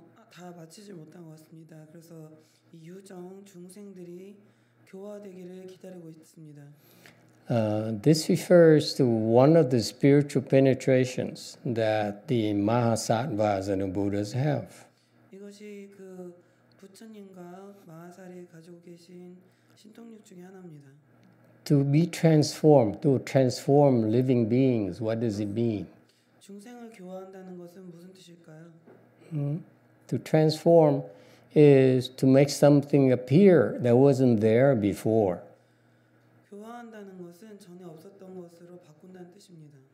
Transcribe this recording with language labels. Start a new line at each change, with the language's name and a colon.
Korean: 다 마치지 못한 것 같습니다. 그래서 이 유정 중생들이 교화되기를 기다리고 있습니다.
English: This refers to one of the spiritual penetrations that the Mahasattvas and the Buddhas have.
Korean: 이것이 그 부처님과 마하살이 가지고 계신 신통력 중에 하나입니다.
English: To be transformed, to transform living beings, what does it mean?
Korean: 중생을 교화한다는 것은 무슨 뜻일까요?
English: To transform is to make something appear that wasn't there before.
Korean: 교화한다는 것은 전에 없었던 것으로 바꾼다는 뜻입니다.